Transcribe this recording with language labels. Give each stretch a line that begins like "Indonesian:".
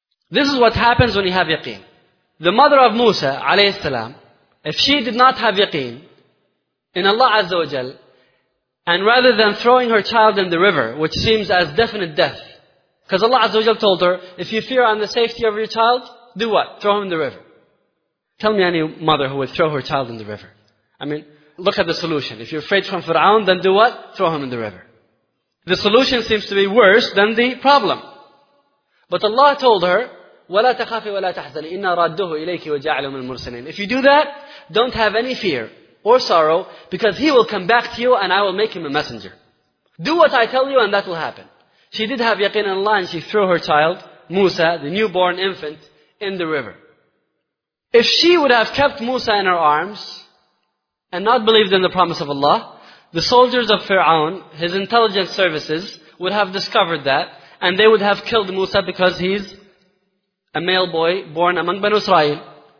English: This is what happens when you have yaqeen. The mother of Musa alayhi salam, if she did not have yaqeen in Allah Azza wa Jal, and rather than throwing her child in the river, which seems as definite death, because Allah Azza wa Jal told her, if you fear on the safety of your child, do what? Throw him in the river. Tell me any mother who would throw her child in the river. I mean, look at the solution. If you're afraid from Fir'aun, then do what? Throw him in the river. The solution seems to be worse than the problem. But Allah told her,
Arabic: وَلَا تَخَافِ وَلَا تَحْزَنِ إِنَّا رَدُّهُ إِلَيْكِ وَجَعْلُهُ مِنْ الْمُرْسَلِينَ.
English: If you do that, don't have any fear or sorrow because he will come back to you and I will make him a messenger. Do what I tell you and that will happen. She did have yaqeen in Allah and she threw her child, Musa, the newborn infant, in the river. If she would have kept Musa in her arms and not believed in the promise of Allah, the soldiers of Fir'aun, his intelligence services, would have discovered that and they would have killed Musa because he's a male boy born among Banu Israel.